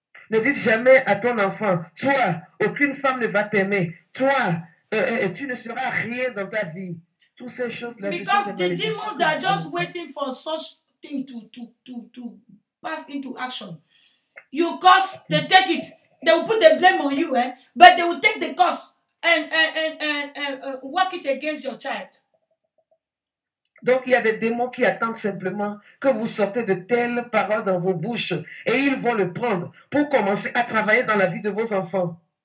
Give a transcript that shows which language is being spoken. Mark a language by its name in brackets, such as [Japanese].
[French] Ne dites jamais à ton enfant, toi, aucune femme ne va t'aimer. Toi, tu ne seras rien dans ta vie. Toutes ces choses-là, c'est des malédictions. [English] Because the demons are just waiting for such thing to pass into action. You cause, they take it. They will put the blame on you, eh? But they will take the cause and work it against your child. [French] Donc, il y a des démons qui attendent simplement que vous sortez de telles paroles dans vos bouches et ils vont le prendre pour commencer à travailler dans la vie de vos enfants.